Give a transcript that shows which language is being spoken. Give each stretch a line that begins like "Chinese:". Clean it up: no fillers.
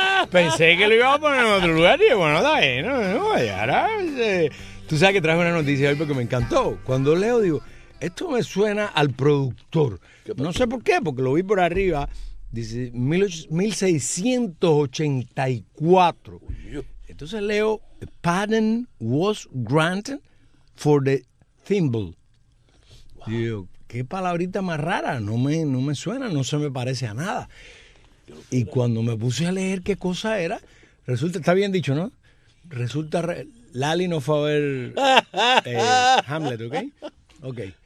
Spanish: Pensé que lo iba a poner en otro lugar. Y bueno, da ahí. No, no, ya era. Tú sabes que traje una noticia hoy porque me encantó. Cuando leo, digo. Esto me suena al productor. No sé por qué, porque lo vi por arriba. Dice 1684. Entonces leo,
English: the patent was granted for the thimble. Wow.
Spanish: Digo, qué palabrita más rara. No me suena, no se me parece a nada. Y cuando me puse a leer qué cosa era, resulta, está bien dicho, ¿no? Resulta, Lali no fue a ver Hamlet, ¿ok? Ok.